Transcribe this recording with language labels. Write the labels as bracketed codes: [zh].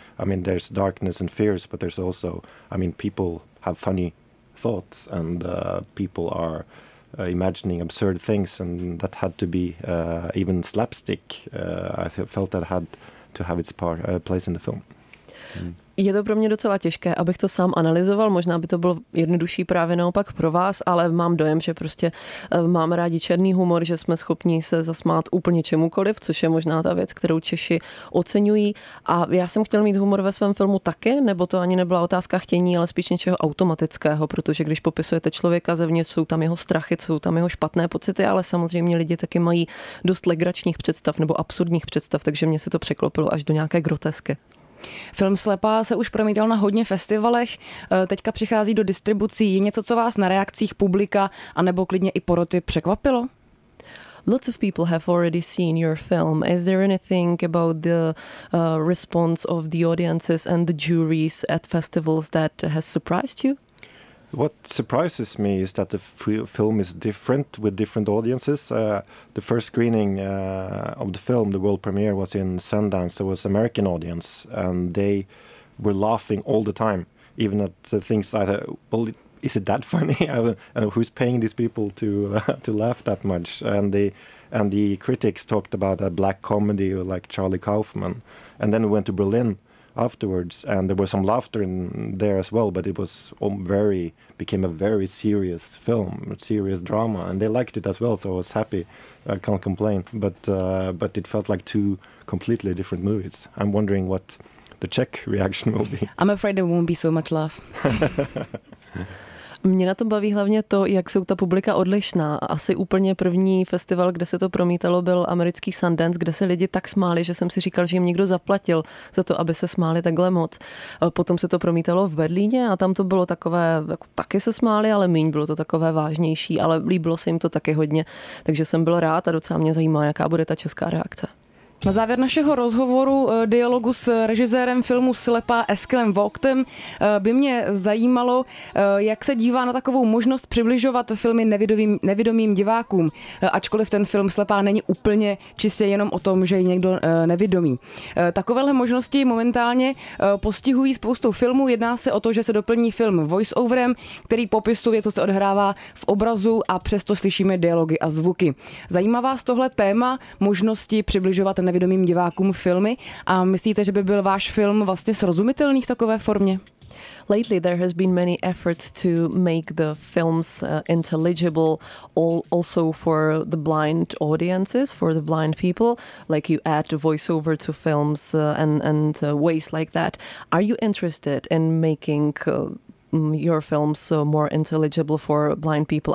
[en] I mean, there's darkness and fears, but there's also, I mean, people have funny thoughts and people are imagining absurd things, and that had to be even slapstick. I felt that had to have its part, place in the film. [cs] Je to pro mě docela těžké, abych to sám analyzoval, možná by to bylo jednodušší právě naopak pro vás, ale mám dojem, že prostě mám rádi černý humor, že jsme schopni se zasmát úplně čemukoliv, což je možná ta věc, kterou Češi oceňují. A já jsem chtěl mít humor ve svém filmu taky, nebo to ani nebyla otázka chtění, ale spíš něčeho automatického, protože když popisujete člověka zevnitř, jsou tam jeho strachy, jsou tam jeho špatné pocity, ale samozřejmě lidi taky mají dost legračních představ nebo absurdních představ, takže mě se to překlopilo až do nějaké grotesky. Film Slepá se už promítal na hodně festivalech, teďka přichází do distribucí. Je něco, co vás na reakcích publika anebo klidně i poroty překvapilo? [en] Lots of people have already seen your film. Is there anything about the response of the audiences and the juries at festivals that has surprised you? What surprises me is that the film is different with different audiences. The first screening of the film, the world premiere, was in Sundance. There was an American audience, and they were laughing all the time, even at the things I thought, well, is it that funny? Who's paying these people to laugh that much? And the critics talked about a black comedy like Charlie Kaufman. And then we went to Berlin afterwards, and there was some laughter in there as well, but it was became a very serious film, serious drama, and they liked it as well, so I was happy. I can't complain, but it felt like two completely different movies. I'm wondering what the Czech reaction will be. I'm afraid there won't be so much laugh. [cs] Mě na tom baví hlavně to, jak jsou ta publika odlišná. Asi úplně první festival, kde se to promítalo, byl americký Sundance, kde se lidi tak smáli, že jsem si říkal, že jim někdo zaplatil za to, aby se smáli takhle moc. Potom se to promítalo v Berlíně a tam to bylo takové, jako taky se smáli, ale míň, bylo to takové vážnější, ale líbilo se jim to taky hodně. Takže jsem byl rád a docela mě zajímá, jaká bude ta česká reakce. Na závěr našeho rozhovoru, dialogu s režisérem filmu Slepá Eskelem Vogtem, by mě zajímalo, jak se dívá na takovou možnost přibližovat filmy nevidomým divákům, ačkoliv ten film Slepá není úplně čistě jenom o tom, že je někdo nevidomý. Takovéhle možnosti momentálně postihují spoustu filmů. Jedná se o to, že se doplní film voice-overem, který popisuje, co se odhrává v obrazu a přesto slyšíme dialogy a zvuky. Zajímá vás tohle téma možnosti přibližovat nevidomým divákům filmy a myslíte, že by byl váš film vlastně srozumitelný v takové formě? [en] Lately, there has been many efforts to make the films intelligible also for the blind audiences, for the blind people, like you add voiceover to films and ways like that. Are you interested in making your films more intelligible for blind people?